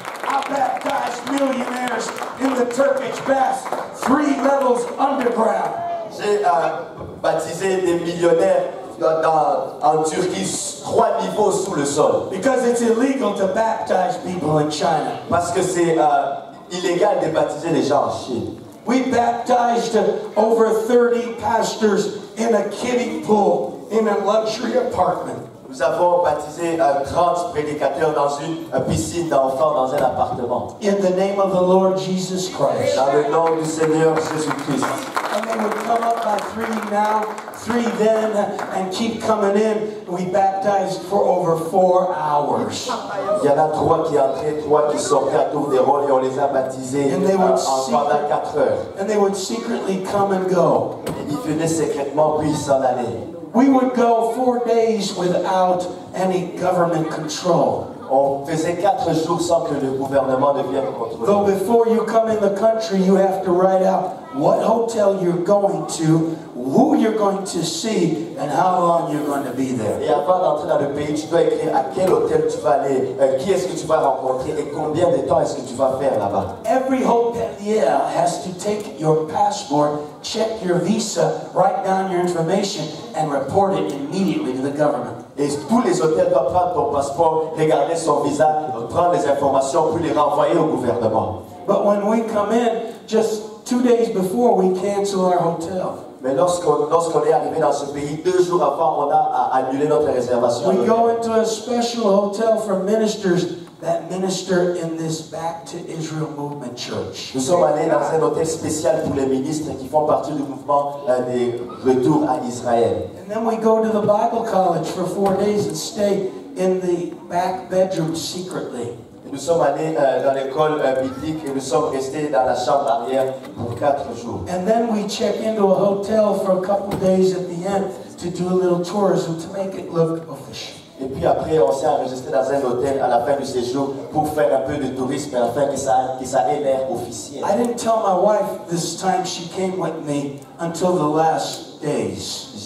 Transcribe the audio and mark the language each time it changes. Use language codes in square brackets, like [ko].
[en] I baptized millionaires in the Turkish baths, three levels underground. [fr] J'ai baptisé des millionnaires en Turquie, trois niveaux sous le sol. [en] Because it's illegal to baptize people in China. [fr] Parce que c'est illégal de baptiser les gens en Chine. [en] We baptized over 30 pastors in a kiddie pool in a luxury apartment. [fr] Nous avons baptisé 30 prédicateurs dans une piscine d'enfants dans un appartement. [en] In the name of the Lord Jesus Christ. [fr] Dans le nom du Seigneur Jésus Christ. [en] And they would come up by three now, three then, and keep coming in. We baptized for over 4 hours. [fr] Il y en a trois qui entraient, trois qui sortaient à tour des rôles et on les a baptisés pendant 4 heures. [en] And they would secretly come and go. [fr] Et ils venaient secrètement puis ils s'en allaient. [en] We would go 4 days without any government control. [fr] On faisait 4 jours sans que le gouvernement ne vienne contrôler. [en] Though before you come in the country, you have to write out what hotel you're going to, who you're going to see, and how long you're going to be there. [fr] Et avant d'entrer dans le pays, tu dois écrire à quel hôtel tu vas aller, qui est-ce que tu vas rencontrer, et combien de temps est-ce que tu vas faire là-bas. [en] Every hotelier has to take your passport, check your visa, write down your information, and report it immediately to the government. [fr] Et tous les hôtels doivent prendre ton passeport, regarder son visa, prendre les informations, puis les renvoyer au gouvernement. [en] But when we come in, just 2 days before, we cancel our hotel. [fr] Mais lorsqu'on est arrivé dans ce pays, 2 jours avant, on a annulé notre réservation. [en] We go into a special hotel for ministers that minister in this Back to Israel Movement Church. [fr] Nous sommes allés dans un hôtel spécial pour les ministres qui font partie du mouvement des retours à Israël. [en] And then we go to the Bible College for 4 days and stay in the back bedroom secretly. [fr] Nous sommes allés dans l'école biblique et nous sommes restés dans la chambre arrière pour 4 jours. [en] And then we check into a hotel for a couple days at the end to do a little tourism to make it look official. [fr] Et puis après, on s'est enregistré dans un hôtel à la fin du séjour pour faire un peu de tourisme afin que ça ait l'air officiel. [en] I didn't tell my wife this time she came with me until the last days.